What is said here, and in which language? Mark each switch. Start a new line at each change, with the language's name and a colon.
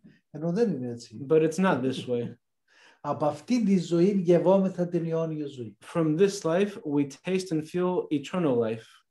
Greek: Ενώ δεν είναι έτσι.
English: But it's not this way.
Greek: Από αυτήν τη ζωή γευόμεθα την αιώνια ζωή.
English: From this life, we taste and feel eternal life.